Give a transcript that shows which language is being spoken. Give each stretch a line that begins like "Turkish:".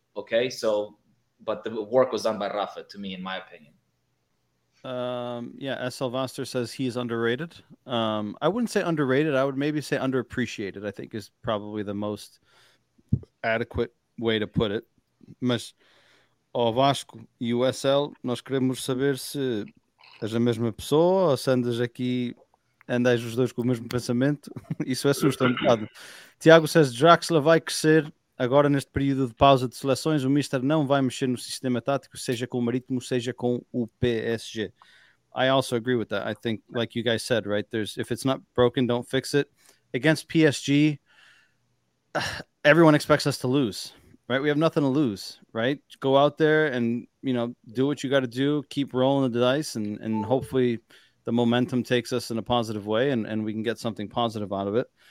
English: Okay, so – but the work was done by Rafa, to me, in my opinion. Yeah, SL Vaster says he's underrated. I wouldn't say underrated. I would maybe say underappreciated, I think, is probably the most adequate way to put it.
Portuguese: Mas, ó Vasco e o SL, nós queremos saber se – és a mesma pessoa, ou se andas aqui, andais os dois com o mesmo pensamento? Isso assusta um bocado.
English: Tiago says,
Portuguese: Draxler vai crescer agora neste período de pausa de seleções, o Mister não vai mexer no sistema tático, seja com o Marítimo, seja com o PSG.
English: I also agree with that. I think, like you guys said, right, there's, if it's not broken, don't fix it. Against PSG, everyone expects us to lose. Right, we have nothing to lose, right? Go out there and, you know, do what you got to do, keep rolling the dice, and hopefully the momentum takes us in a positive way and we can get something positive out of it.